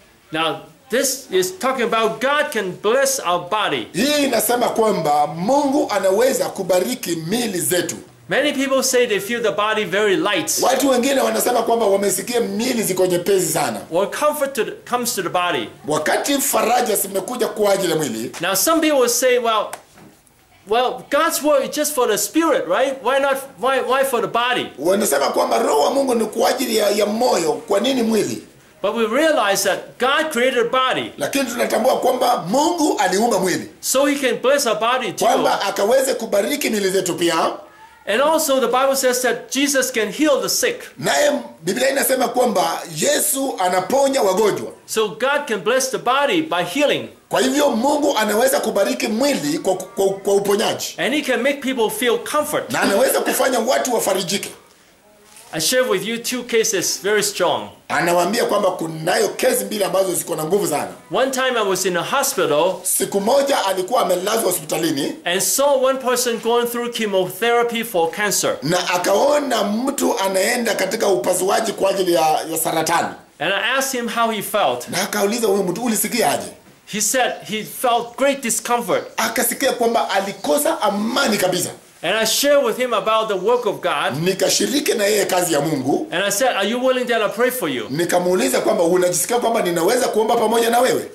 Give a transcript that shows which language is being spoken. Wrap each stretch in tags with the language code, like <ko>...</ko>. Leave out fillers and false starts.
<en>Now this is talking about God can bless our body.</en> <sw>Hii inasema kwamba Mungu anaweza kubariki miili zetu.</sw> <en>Many people say they feel the body very light.</en> <sw>Watu wengine wanasema kwamba wamesikia miili ziko nyepesi sana.</sw> <en>When comfort comes to the body.</en> <sw>Wakati faraja zimekuja kwa ajili ya mwili.</sw> <en>Now some people say well God's word is just for the spirit, right? Why for the body?</en> <sw>Wanasema kwamba roho wa Mungu ni kwa ajili ya moyo, kwa nini mwili?</sw> <en>But we realize that God created a body.</en> <sw>Lakini tunatambua kwamba Mungu aliumba mwili.</sw> <en>So he can bless our body too.</en> <sw>Kwamba akaweze kubariki miili yetu pia.</sw> <en>And also the Bible says that Jesus can heal the sick.</en> <sw>Naye Biblia inasema kwamba Yesu anaponya wagonjwa.</sw> <en>So God can bless the body by healing.</en> <sw>Kwa hivyo Mungu anaweza kubariki mwili kwa uponyaji.</sw> <en>And he can make people feel comfort.</en> <sw>Na anaweza kufanya watu wafarijike.</sw> <en>I share with you two cases very strong.</en> <sw>Anawaambia kwamba kunayo kesi mbili ambazo ziko na nguvu sana.</sw> <en>One time I was in a hospital.</en> <sw>Siku moja alikuwa amelazwa hospitalini.</sw> <en>And saw one person going through chemotherapy for cancer.</en> <sw>Na akaona mtu anaenda katika upasuaji kwa ajili ya saratani.</sw> <en>And I asked him how he felt.</en> <sw>Na akauliza huyo mtu ulisikia aje?</sw> <en>He said he felt great discomfort.</en> <sw>Akasikia kwamba alikosa amani kabisa.</sw> <en>And I shared with him about the work of God.</en> <sw>Nikashiriki na yeye kazi ya Mungu.</sw> <en>And I said, "Are you willing that I pray for you?"</en> <sw>Nikamuuliza kwamba unajisikia kwamba ninaweza kuomba pamoja na wewe.</sw>